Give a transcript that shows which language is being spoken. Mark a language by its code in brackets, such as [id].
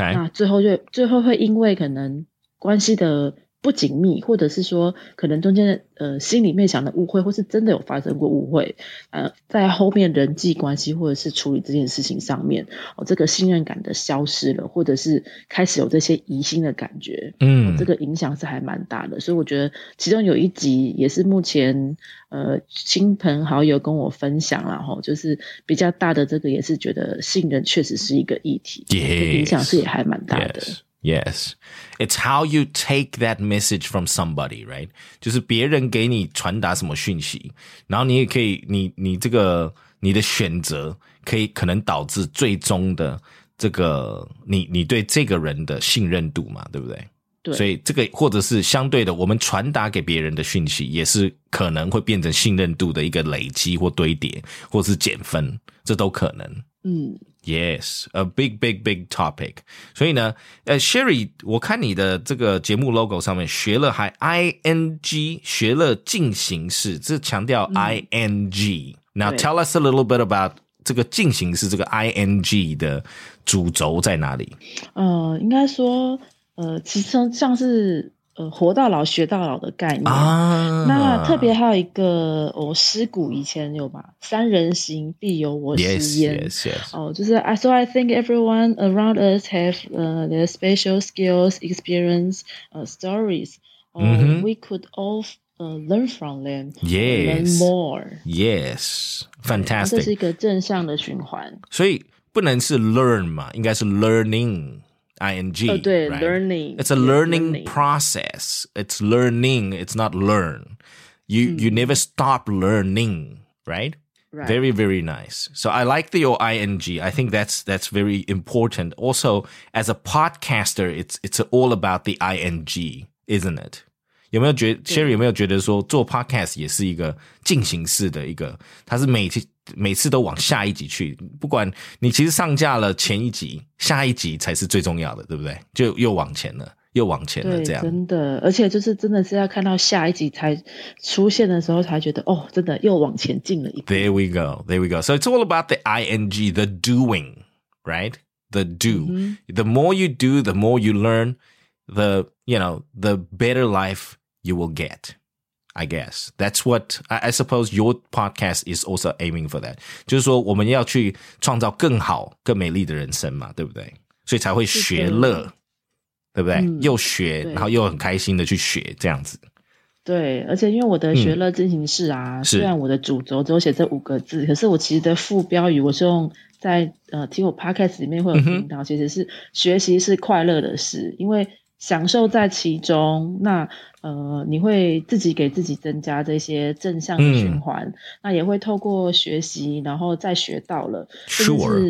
[zh] 那最后会因为可能关系的不紧密或者是说可能中间心里面想的误会或是真的有发生过误会在后面人际关系或者是处理这件事情上面这个信任感的消失了或者是开始有这些疑心的感觉这个影响是还蛮大的所以我觉得其中有一集也是目前亲朋好友跟我分享啦就是比较大的这个也是觉得信任确实是一个议题 [en] yes, [zh] 影响是也还蛮大的 [en] yes. Yes, it's how you take that message from somebody, right? [zh] 就是别人给你传达什么讯息，然后你也可以，你这个你的选择可以可能导致最终的这个你对这个人的信任度嘛，对不对？对。所以这个或者是相对的，我们传达给别人的讯息也是可能会变成信任度的一个累积或堆叠，或是减分，这都可能。 [en] Yes, a big, big, big topic. [zh] 所以呢,Sherry, 我看你的这个节目 logo 上面学了还 ING, 学了进行式这强调 ING. [en] Now tell us a little bit about [zh] 这个进行式这个 ING 的主轴在哪里。应该说其实像是活到老学到老的概念。啊、那特别还有一个师古以前有嘛三人行必有我师焉。 [en] Yes, yes, yes. [zh] 就是 [en] So I think everyone around us have their special skills, experience, stories.、 Mm-hmm. We could all learn from them. Yes. Learn more. Yes. Fantastic. [zh] 这是一个正向的循环。所以不能是 learn 嘛应该是 learning. ING, 对、 [en] right? learning. It's a learning process. It's learning. It's not learn. You never stop learning, right? Right. Very, very nice. So I like your ING. I think that's very important. Also, as a podcaster, it's all about the ING, isn't it? [zh] 有没有觉得 Sherry 有没有觉得说做 podcast 也是一个进行式的一个它是每次都往下一集去不管你其实上架了前一集下一集才是最重要的对不对就又往前了又往前了这样真的而且就是真的是要看到下一集才出现的时候才觉得哦真的又往前进了一步 [en] There we go, there we go. So it's all about the ING, the doing, right? The do.、 Mm-hmm. The more you do, the more you learn,the better life you will get, I guess. That's what, I suppose your podcast is also aiming for that. [zh] 就是说我们要去创造更好、更美丽的人生嘛，对不对？所以才会学乐，对不对？又学，然后又很开心的去学，这样子。对，而且因为我的学乐进行式啊，虽然我的主轴只有写这五个字，可是我其实的副标语我是用在听我 podcast 里面会有听到，其实是学习是快乐的事，因为享受在其中，那你会自己给自己增加这些正向的循环，那也会透过学习，然后再学到了，甚至是、